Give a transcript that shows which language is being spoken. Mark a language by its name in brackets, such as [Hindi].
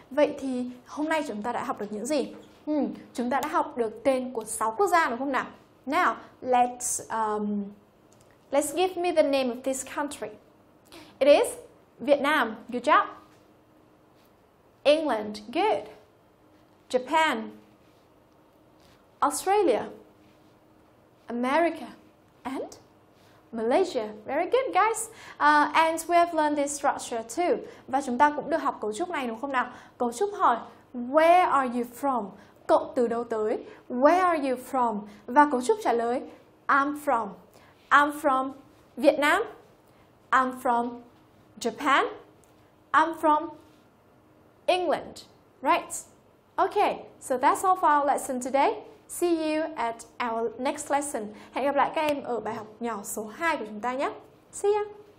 [Vietnamese] Vậy thì hôm nay chúng ta đã học được những gì? Chúng ta đã học được tên của 6 quốc gia đúng không nào? [English] Now, let's give me the name of this country. It is Vietnam. Good job. England. Good. Japan. Australia. America. And Malaysia. Very good, guys. And we have learned this structure too. [Vietnamese] Và chúng ta cũng được học cấu trúc này đúng không nào? Cấu trúc hỏi [English] Where are you from? [Vietnamese] Cộng từ đâu tới? [English] Where are you from? [Vietnamese] Và cấu trúc trả lời [English] I'm from. I'm from Vietnam. I'm from Japan. I'm from England. Right? Okay, so that's all for our lesson today. See you at our next lesson. [Vietnamese] Hẹn gặp lại các em ở bài học nhỏ số 2 của chúng ta nhé. [English] See ya!